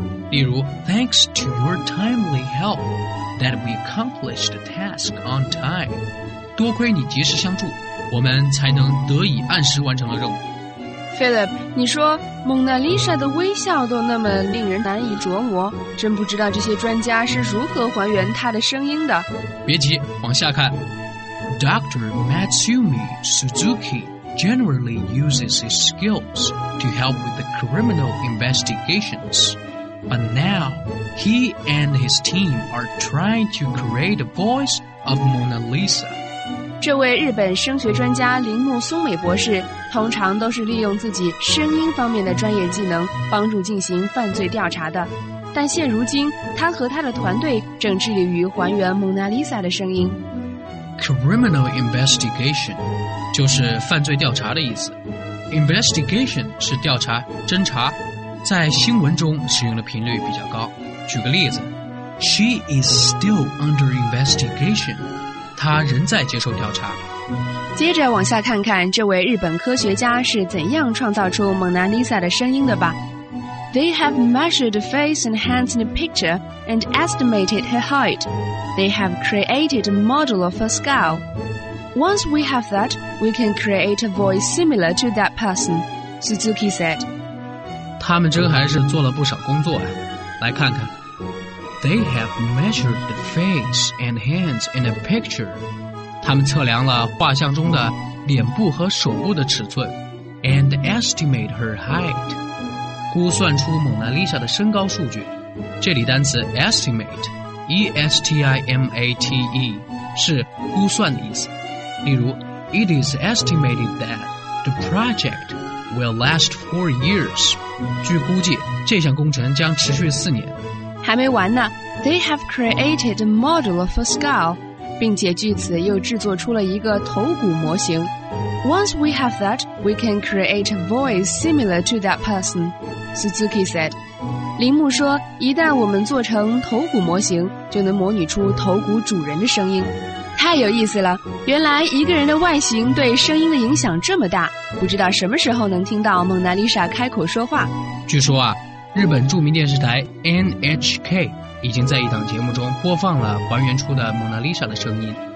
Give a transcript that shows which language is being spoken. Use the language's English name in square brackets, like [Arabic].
[Chinese] 例如 [English] thanks to your timely help that we accomplished the task on time. [Chinese] 多亏你及时相助，我们才能得以按时完成了任务。 Philip, 你说蒙娜丽莎的微笑都那么令人难以琢磨，真不知道这些专家是如何还原她的声音的。别急，往下看。Dr. [English] Matsumi Suzuki generally uses his skills to help with the criminal investigations. But now, he and his team are trying to create a voice of Mona Lisa. [Chinese] 这位日本声学专家铃木松美博士通常都是利用自己声音方面的专业技能帮助进行犯罪调查的。但现如今，他和他的团队正致力于还原蒙娜丽莎的声音。 Criminal investigation 就是犯罪调查的意思。 Investigation 是调查、侦查，在新闻中使用的频率比较高。举个例子， [English] She is still under investigation， [Chinese] 她仍在接受调查。接着往下看看这位日本科学家是怎样创造出蒙娜丽莎的声音的吧。 [English] They have measured the face and hands in the picture and estimated her height. They have created a model of a skull. Once we have that, we can create a voice similar to that person, Suzuki said. [Chinese] 他们真还是做了不少工作啊，来看看。 [English] They have measured the face and hands in a picture. [Chinese] 他们测量了画像中的脸部和手部的尺寸 [English] and estimate her height. [Chinese] 估算出蒙娜丽莎的身高数据。这里单词 estimate,E-S-T-I-M-A-T-E 是估算的意思。例如 [English] It is estimated that the project will last 4 years. [Chinese] 据估计，这项工程将持续4年。还没完呢。 [English] They have created a model of a skull, [Chinese] 并且据此又制作出了一个头骨模型。 [English] Once we have that, we can create a voice similar to that person, Suzuki said. [Chinese] 铃木说，一旦我们做成头骨模型，就能模拟出头骨主人的声音。太有意思了，原来一个人的外形对声音的影响这么大，不知道什么时候能听到蒙娜丽莎开口说话。据说啊，日本著名电视台 NHK 已经在一档节目中播放了还原出的蒙娜丽莎的声音。